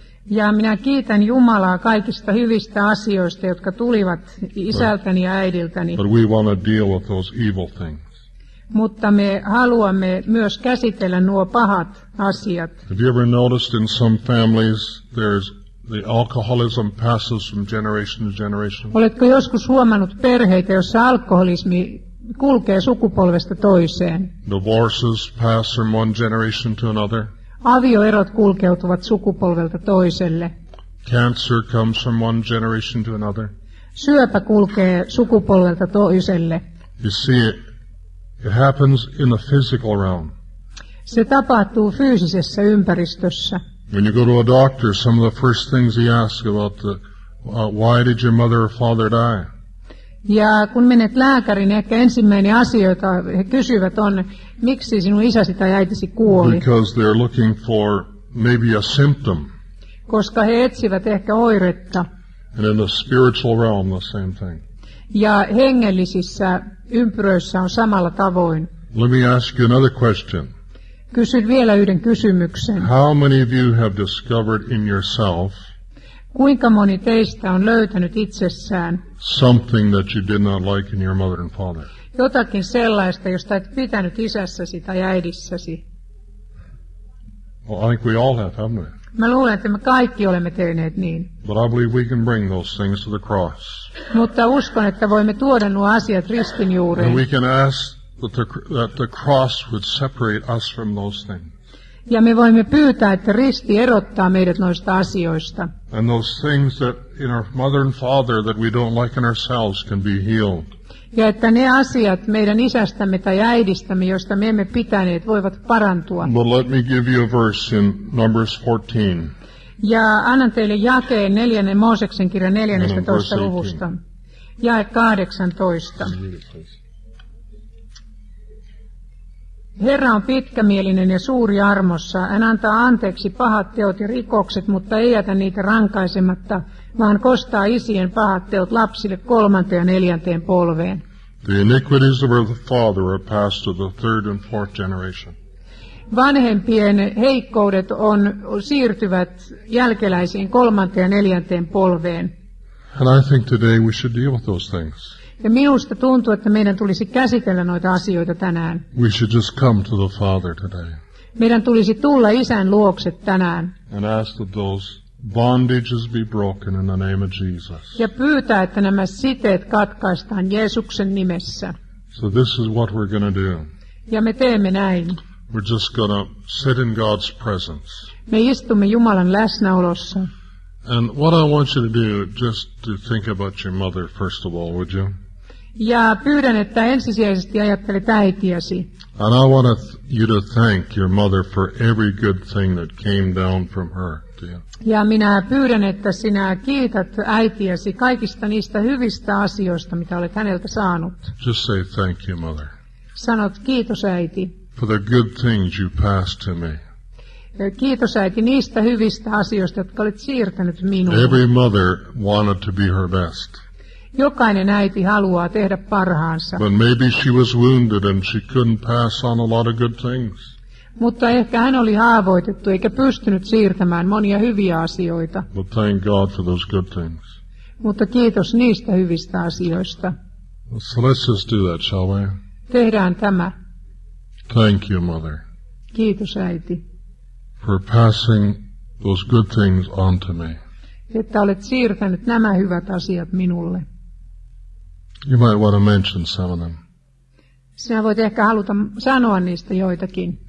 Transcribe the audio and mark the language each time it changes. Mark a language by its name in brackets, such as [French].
[Finnish] Ja minä kiitän Jumalaa kaikista hyvistä asioista, jotka tulivat isältäni ja äidiltäni. [English] But we want to deal with those evil things. [Finnish] Mutta me haluamme myös käsitellä nuo pahat asiat. [English] Have you ever noticed in some families there's the alcoholism passes from generation to generation? [Finnish] Oletko joskus huomannut perheitä, joissa alkoholismi kulkee sukupolvesta toiseen? [English] Divorces pass from one generation to another. [Finnish] Avioerot kulkeutuvat sukupolvelta toiselle. [English] Cancer comes from one generation to another. [Finnish] Syöpä kulkee sukupolvelta toiselle. [English] You see it. It happens in the physical realm. [Finnish] Se tapahtuu fyysisessä ympäristössä. [English] When you go to a doctor, some of the first things he asks about the why did your mother or father die? [Finnish] Ja kun menet lääkärin, ehkä ensimmäinen asia, jota he kysyvät, on miksi sinun isäsi tai äitisi kuoli? [English] Because they're looking for maybe a symptom. [Finnish] Koska he etsivät ehkä oiretta. [English] And in the spiritual realm, the same thing. [Finnish] Ja hengellisissä ympyröissä on samalla tavoin. [English] Let me ask you another question. [Finnish] Kysyn vielä yhden kysymyksen. [English] How many of you have discovered in yourself? [Finnish] Kuinka moni teistä on löytänyt itsessään? [English] Something that you did not like in your mother and father. [Finnish] Jotakin sellaista, josta et pitänyt isässäsi tai äidissäsi. [English] Well, I think we all have, haven't we? [Finnish] Mä luulen, että me kaikki olemme tehneet niin. [English] But I believe we can bring those things to the cross. [Finnish] Mutta uskon, että voimme tuoda nuo asiat ristin juureen. [English] And we can ask that the cross would separate us from those things. [Finnish] Ja me voimme pyytää, että risti erottaa meidät noista asioista. [English] And those things that in our mother and father that we don't like in ourselves can be healed. [Finnish] Ja että ne asiat meidän isästämme tai äidistämme, joista me emme pitäneet, voivat parantua. [English] But let me give you a verse in Numbers 14. [Finnish] Ja annan teille jakeen 4. Mooseksen kirjan 14. luvusta. Jae 18. Herra on pitkämielinen ja suuri armossa. Hän antaa anteeksi pahat teot ja rikokset, mutta ei jätä niitä rankaisematta, vaan kostaa isien pahat teot lapsille 3. ja 4. polveen. [English] The iniquities of the father are passed to the 3rd and 4th generation. [Finnish] Vanhempien heikkoudet on siirtyvät jälkeläisiin 3. ja 4. polveen. [English] And I think today we should deal with those things. [Finnish] Ja minusta tuntuu, että meidän tulisi käsitellä noita asioita tänään. [English] We should just come to the Father today. [Finnish] Meidän tulisi tulla isän luokse tänään. [English] And ask that those bondages be broken in the name of Jesus. [Finnish] Ja pyytää, että nämä siteet katkaistaan Jeesuksen nimessä. [English] So this is what we're going to do. [Finnish] Ja me teemme näin. [English] We're just going to sit in God's presence. [Finnish] Me istumme Jumalan läsnäolossa. [English] And what I want you to do, just to think about your mother first of all, would you? [Finnish] Ja pyydän, että ensisijaisesti ajattelet äitiäsi. [English] And I want you to thank your mother for every good thing that came down from her to you. [Finnish] Ja minä pyydän, että sinä kiität äitiäsi kaikista niistä hyvistä asioista, mitä olet häneltä saanut. [English] Just say thank you, mother. [Finnish] Sanot kiitos, äiti. [English] For the good things you passed to me. [Finnish] Kiitos, äiti, niistä hyvistä asioista, jotka olet siirtänyt minulle. [English] Every mother wanted to be her best. [Finnish] Jokainen äiti haluaa tehdä parhaansa. [English] But maybe she was wounded and she couldn't pass on a lot of good things. [Finnish] Mutta ehkä hän oli haavoitettu eikä pystynyt siirtämään monia hyviä asioita. [English] But thank God for those good things. [Finnish] Mutta kiitos niistä hyvistä asioista. [English] So let's just do that, shall we? [Finnish] Tehdään tämä. [English] Thank you, mother. [Finnish] Kiitos, äiti. [English] For passing those good things on to me. [Finnish] Että olet siirtänyt nämä hyvät asiat minulle. [English] You might want to mention some of them. [Finnish] Sinä voit ehkä haluta sanoa niistä joitakin.